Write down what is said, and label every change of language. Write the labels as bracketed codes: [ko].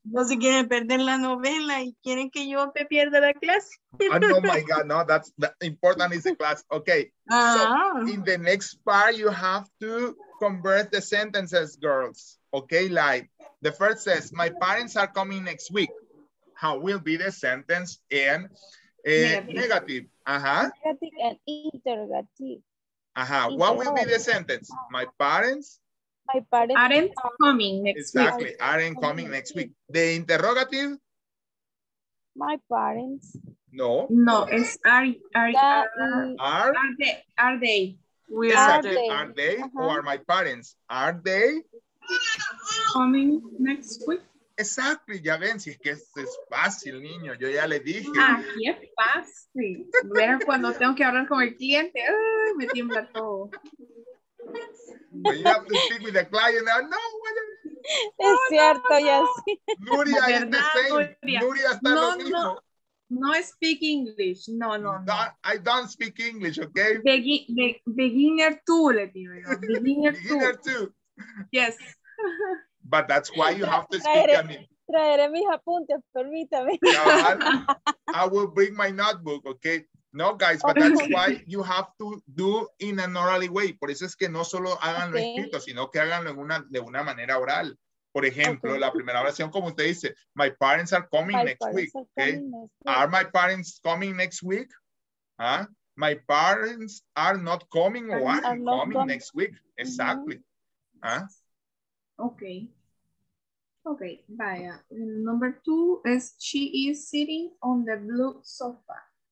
[es] No se quieren perder la novela y quieren que yo me pierda la clase. [en] Oh, my God. No, that's important is the class. Okay. Uh-huh. So in the next part, you have to convert the sentences, girls. Okay, like the first says, my parents are coming next week. How will be the sentence in negative? Uh-huh. Negative and interrogative. Uh-huh. What will be the sentence? My parents? My parents aren't coming next week. Exactly. Aren't coming next week. The interrogative? My parents. No. No, it's are they? We are exactly. They. Are they? Uh-huh. Who are my parents? Are they? Coming next week. [es] Exactly, ya ven, si es que es fácil, niño, yo ya le dije. Aquí es fácil. Verán cuando tengo que hablar con el cliente, me tiembla todo. [en] But you have to speak with the client, no, no, no. [es] Es cierto, ya sí. [en] Nuria is the same. [es] Nuria está lo mismo. [en] No speak English, no. I don't speak English, okay? Beginner too, [es] le digo. [en] Beginner too. Yes. But that's why you have to speak. [es] Traeré mis apuntes, permítame. [en] I will bring my notebook, okay? No, guys, but that's why you have to do in an orally way. [es] Por eso es que no solo háganlo escrito, sino que háganlo de una manera oral. Por ejemplo, la primera oración, como usted dice, [en] my parents are coming next week. Okay? Are my parents coming next week? Huh? My parents are not coming or are coming next week. Exactly. Huh? Okay. Okay, vaya. Number two is she is sitting on the blue sofa.